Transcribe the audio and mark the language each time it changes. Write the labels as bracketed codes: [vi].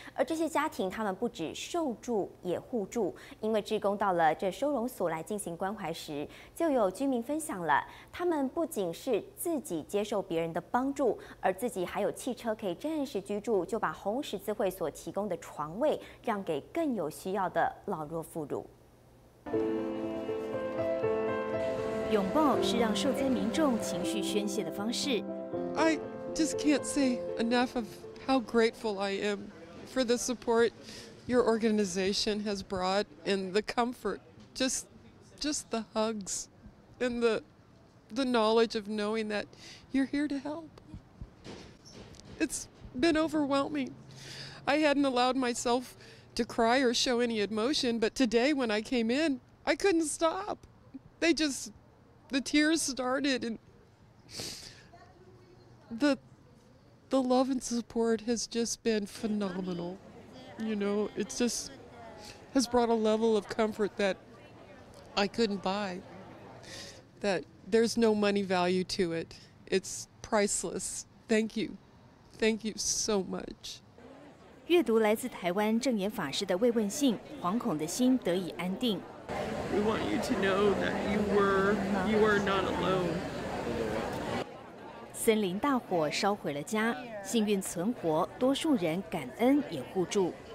[zh] 而这些家庭，他们不止受助也互助，因为志工到了这收容所来进行关怀时，就有居民分享了，他们不仅是自己接受别人的帮助，而自己还有汽车可以暂时居住，就把红是慈会所提供的床位让给更有需要的老弱妇孺。拥抱是让受灾民众情绪宣泄的方式。 [en] I just can't say enough of how grateful I am for the support your organization has brought and the comfort, just the hugs and the knowledge of knowing that you're here to help. It's been overwhelming. I hadn't allowed myself to cry or show any emotion, but today when I came in, I couldn't stop. The tears started, and the love and support has just been phenomenal. You know, it's just has brought a level of comfort that I couldn't buy. That there's no money value to it. It's priceless. Thank you. Thank you so much. [zh] 阅读来自台湾正言法师的慰问信，惶恐的心得以安定。 [en] We want you to know that you are not alone. [zh] 森林大火烧毁了家，幸运存活，多数人感恩也互助。